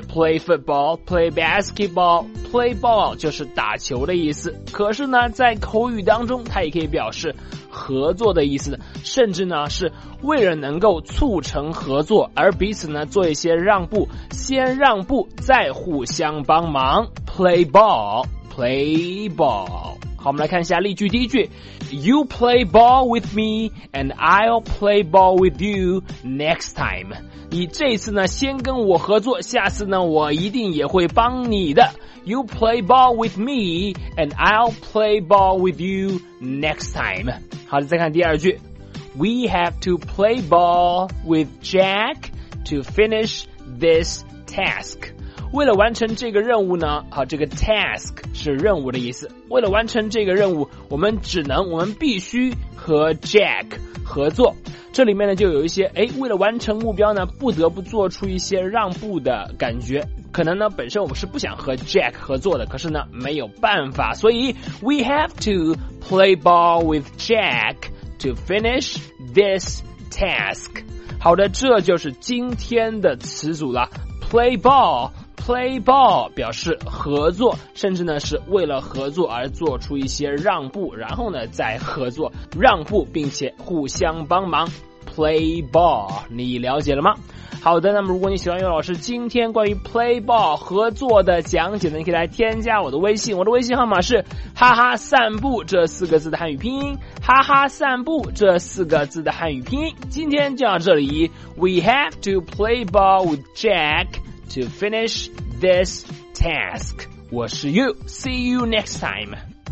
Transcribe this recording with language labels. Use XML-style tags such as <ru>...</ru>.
<en>play football play basketball play ball</en> <zh>就是打球的意思。可是呢在口语当中它也可以表示合作的意思，甚至呢是为了能够促成合作而彼此呢做一些让步，先让步再互相帮忙。</zh> <en>play ball play ball。</en> <zh>好，我们来看一下例句。第一句，</zh> <en>You play ball with me and I'll play ball with you next time。</en> <zh>你这次呢先跟我合作，下次呢我一定也会帮你的。</zh> <en>You play ball with me and I'll play ball with you next time。</en> <zh>好的，再看第二句，</zh> <en>We have to play ball with Jack to finish this task。</en> <zh>为了完成这个任务呢，好，这个 task 是任务的意思。为了完成这个任务，我们必须和 Jack 合作。这里面呢就有一些，诶，为了完成目标呢不得不做出一些让步的感觉。可能呢本身我们是不想和 Jack 合作的，可是呢没有办法。</zh> <en>所以 we have to play ball with Jack to finish this task。</en> <zh>好的，这就是今天的词组了。 play ballplay ball 表示合作，甚至呢是为了合作而做出一些让步，然后呢再合作让步并且互相帮忙。 play ball， 你了解了吗？好的，那么如果你喜欢优老师今天关于 play ball 合作的讲解呢，你可以来添加我的微信，我的微信号码是哈哈散步这四个字的汉语拼音，哈哈散步这四个字的汉语拼音。今天就到这里，</zh> <en>We have to play ball with JackTo finish this task.</en> <zh>我是</zh> <en>You. See you next time.</en>